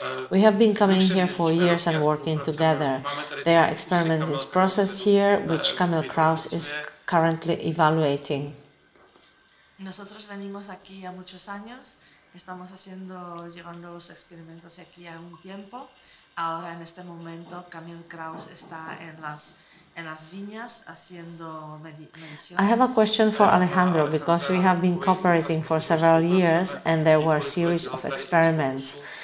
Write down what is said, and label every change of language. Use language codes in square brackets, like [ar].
[en] We have been coming here for years and working together. There are experiments in process here, which Camille Krauss is currently evaluating. [es] Nosotros venimos aquí a muchos años. Estamos haciendo, llevando los experimentos aquí a un tiempo. Ahora en este momento Camille Krauss está en las viñas haciendo mediciones. [en] I have a question for Alejandro because we have been cooperating for several years and there were a series of experiments.